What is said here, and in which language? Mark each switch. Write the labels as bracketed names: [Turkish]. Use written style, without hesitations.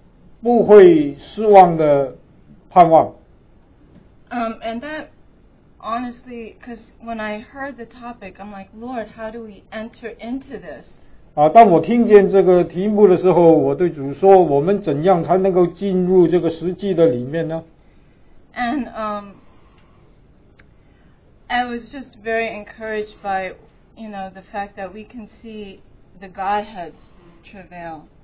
[Chinese] 到了最后，这里有一个不会失望的盼望。 [English] And that, honestly, because when I heard the topic, I'm like, Lord, how do we enter into this? [Chinese] 当我听见这个题目的时候，我对主说：“我们怎样才能够进入这个实际的里面呢？” [English] And I was just very encouraged by, you know, the fact that we can see the Godhead's travail.